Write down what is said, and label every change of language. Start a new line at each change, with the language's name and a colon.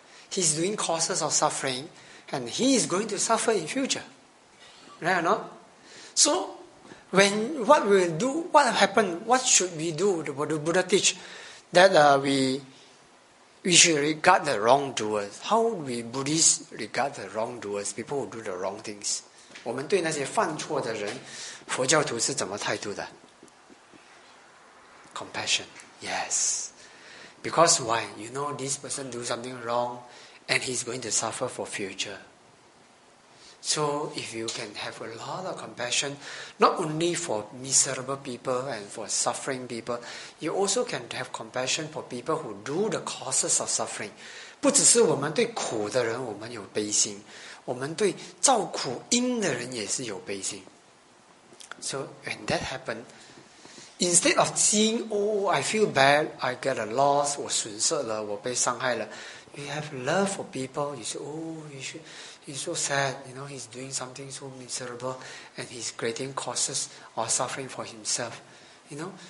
English: He's doing causes of suffering, and he is going to suffer in future. Right or not? So, when what we will do, what happened, what should we do, what the Buddha teach, that we should regard the wrongdoers. How we Buddhists regard the wrongdoers, people who do the wrong things?
Chinese: 我们对那些犯错的人, 佛教徒是怎么态度的?
English: Compassion, yes. Because why? You know this person do something wrong, and he's going to suffer for future. So if you can have a lot of compassion, not only for miserable people and for suffering people, you also can have compassion for people who do the causes of suffering.
Chinese: 不只是我们对苦的人我们有悲心, 我们对造苦因的人也是有悲心。
English: So when that happened, instead of seeing, oh, I feel bad, I get a loss,
Chinese: 我损失了, 我被伤害了,
English: you have love for people, you say, oh, you should... He's so sad, you know, he's doing something so miserable and he's creating causes or suffering for himself, you know.